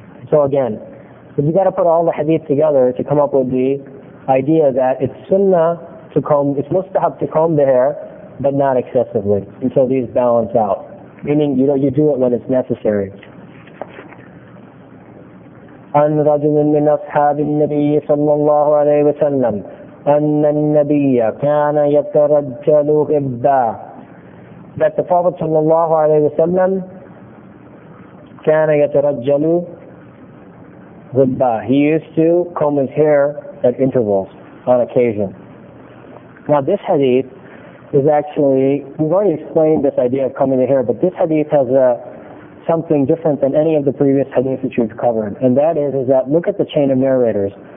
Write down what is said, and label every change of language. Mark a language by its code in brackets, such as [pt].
[en] So again, you got to put all the hadith together to come up with the idea that it's sunnah to comb, it's mustahab to comb the hair, but not excessively, until these balance out. Meaning, you know, you do it when it's necessary. [ar] عن رجل من أصحاب النبي صلى الله عليه وسلم أن النبي كان يترجل غبا. [en] That the Prophet [ar] صلى الله عليه وسلم كان يترجل غبا. [en] He used to comb his hair at intervals on occasion. Now this hadith is actually, we've already explained this idea of combing the hair, but this hadith has something different than any of the previous hadith that you've covered. And that is that look at the chain of narrators.